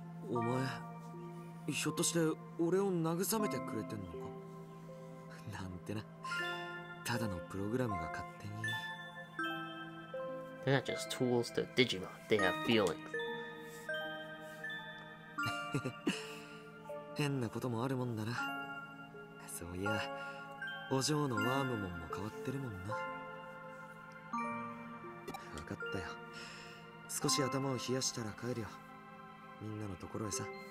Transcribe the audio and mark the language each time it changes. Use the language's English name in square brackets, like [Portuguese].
[Japanese] お前ひょっとして俺を慰めてくれてんのか。なんてな。ただのプログラムが勝手に。 [English] They're not just tools to Digimon, they have feelings. [Japanese] 変なこともあるもんだな。そういや、お嬢のワームモンも変わってるもんな。分かったよ。少し頭を冷やしたら帰るよ。みんなのところへさ。